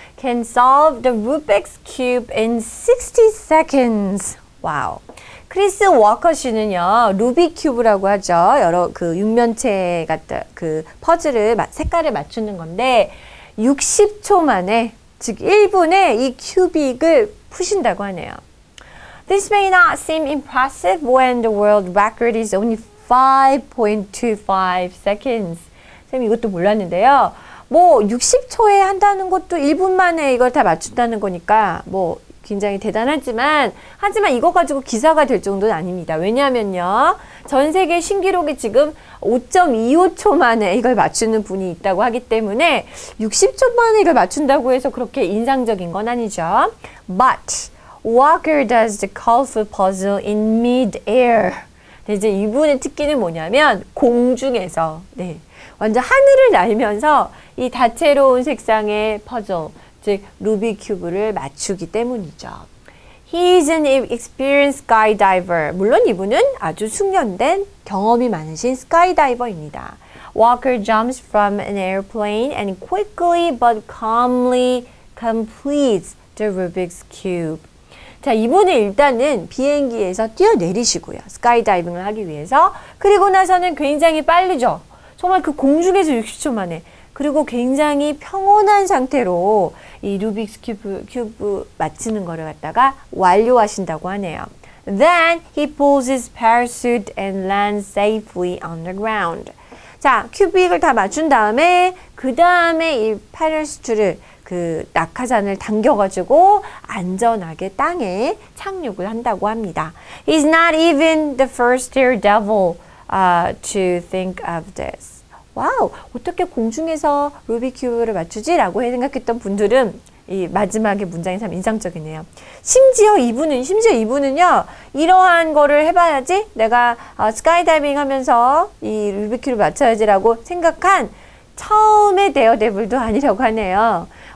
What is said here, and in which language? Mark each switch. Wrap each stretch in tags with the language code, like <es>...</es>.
<en>Can solve the Rubik's Cube in 60 seconds. 와우.</en> <ko>크리스 워커 씨는요, 루빅 큐브라고 하죠. 여러 그 육면체 같은 그 퍼즐을 색깔을 맞추는 건데 60초 만에, 즉 1분에 이 큐빅을 푸신다고 하네요.</ko> <en>This may not seem impressive when the world record is only 5.25 seconds.</en> <ko>선생님 이것도 몰랐는데요. 뭐 60초에 한다는 것도 1분 만에 이걸 다 맞춘다는 거니까 뭐 굉장히 대단하지만 하지만 이거 가지고 기사가 될 정도는 아닙니다. 왜냐하면요. 전 세계 신기록이 지금 5.25초 만에 이걸 맞추는 분이 있다고 하기 때문에 60초 만에 이걸 맞춘다고 해서 그렇게 인상적인 건 아니죠.</ko> <en>But Walker does the colorful puzzle in mid-air.</en> <ko>네, 이제 이분의 특기는 뭐냐면 공중에서 네, 완전 하늘을 날면서 이 다채로운 색상의 퍼즐 즉 루빅 큐브를 맞추기 때문이죠.</ko> <en>He is an experienced skydiver.</en> <ko>물론 이분은 아주 숙련된 경험이 많으신 스카이다이버입니다.</ko> <en>Walker jumps from an airplane and quickly but calmly completes the Rubik's Cube.</en> <ko>자, 이분은 일단은 비행기에서 뛰어내리시고요. 스카이다이빙을 하기 위해서. 그리고 나서는 굉장히 빠르죠. 정말 그 공중에서 60초 만에. 그리고 굉장히 평온한 상태로 이 루빅스 큐브 맞추는 거를 갖다가 완료하신다고 하네요.</ko> <en>Then he pulls his parachute and lands safely on the ground.</en> <ko>자, 큐빅을 다 맞춘 다음에 그 다음에 이 파라슈트를 그 낙하산을 당겨가지고 안전하게 땅에 착륙을 한다고 합니다.</ko> <en>He's not even the first daredevil to think of this.</en> <ko>와우, 어떻게 공중에서 루빅 큐브를 맞추지? 라고 생각했던 분들은 이 마지막에 문장이 참 인상적이네요. 심지어 이분은요, 이러한 거를 해봐야지 내가 스카이다이빙 하면서 이 루빅 큐브를 맞춰야지라고 생각한 처음의 데어데블도 아니라고 하네요.</ko>